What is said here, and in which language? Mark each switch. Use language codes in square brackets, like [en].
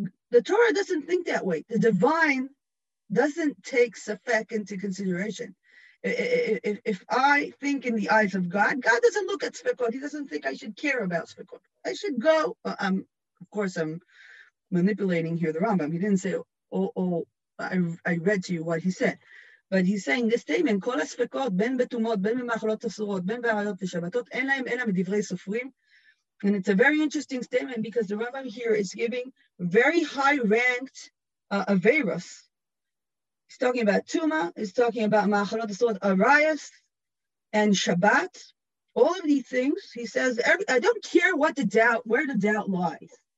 [en] The Torah doesn't think that way. The divine doesn't take suffix into consideration. If I think in the eyes of God, God doesn't look at Sfekot. He doesn't think I should care about Sfekot. I should go, of course I'm manipulating here the Rambam. He didn't say, I read to you what he said. But he's saying this statement, [he] כל הספקות, בין בתומות, בין במאכלות אסורות, בין בהריות ושבתות, אין להם אלא מדברי סופרים. [en] And it's a very interesting statement because the Rambam here is giving very high-ranked averos. He's talking about tuma, he's talking about מאכלות אסורות, arayas, and Shabbat. All of these things, he says, I don't care what the doubt, where the doubt lies.